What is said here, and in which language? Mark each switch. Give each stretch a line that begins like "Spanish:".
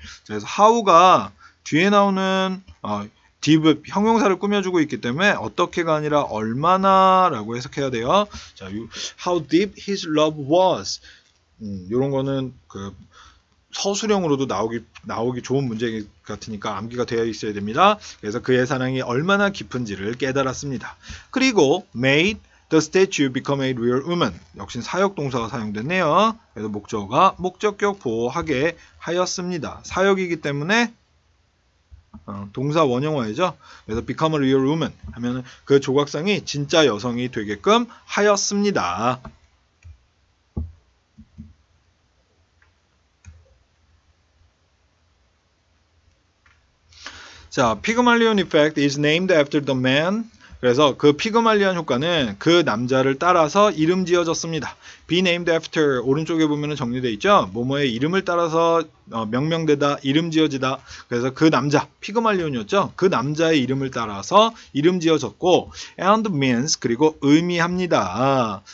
Korean: 자, 그래서 how가 뒤에 나오는, deep 형용사를 꾸며주고 있기 때문에 어떻게가 아니라 얼마나라고 해석해야 돼요.
English: 자, how deep his love was.
Korean: 이런 거는 그 서술형으로도 나오기 좋은 문제 같으니까 암기가 되어 있어야 됩니다. 그래서 그의 사랑이 얼마나 깊은지를 깨달았습니다. 그리고
English: made the statue become a real woman.
Korean: 역시 사역 동사가 사용됐네요. 그래서 목적어가 목적격 보호하게 하였습니다. 사역이기 때문에 동사 원형어이죠. 그래서
English: become a real woman
Korean: 하면 그 조각상이 진짜 여성이 되게끔 하였습니다.
English: 자, Pygmalion effect is named after the man.
Korean: 그래서 그 피그말리안 효과는 그 남자를 따라서 이름 지어졌습니다.
English: Be named after,
Korean: 오른쪽에 보면 정리되어 있죠? 뭐뭐의 이름을 따라서 명명되다, 이름 지어지다. 그래서 그 남자, 피그말리온이었죠? 그 남자의 이름을 따라서 이름 지어졌고,
English: and means,
Korean: 그리고 의미합니다.